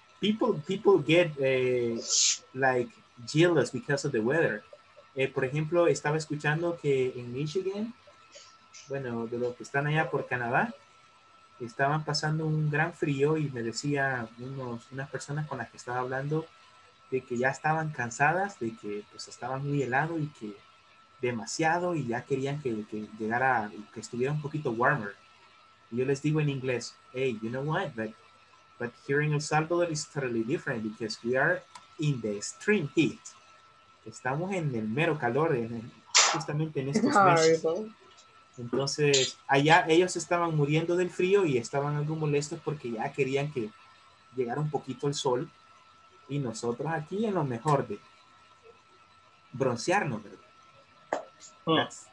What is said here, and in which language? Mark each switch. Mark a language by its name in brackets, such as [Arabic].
[English] People get like jealous because of the weather. [Spanish] Por ejemplo, estaba escuchando que en Michigan, bueno, de los que están allá por Canadá, estaban pasando un gran frío, y me decía unas personas con las que estaba hablando de que ya estaban cansadas, de que pues estaba muy helado y que demasiado, y ya querían que llegara, que estuviera un poquito warmer. Y yo les digo en inglés, [English] hey, you know what? But here in El Salvador is totally different because we are in the extreme heat. [Spanish] Estamos en el mero calor, justamente en estos meses. Entonces, allá ellos estaban muriendo del frío y estaban algo molestos porque ya querían que llegara un poquito el sol. Y nosotros aquí en lo mejor de broncearnos, ¿verdad?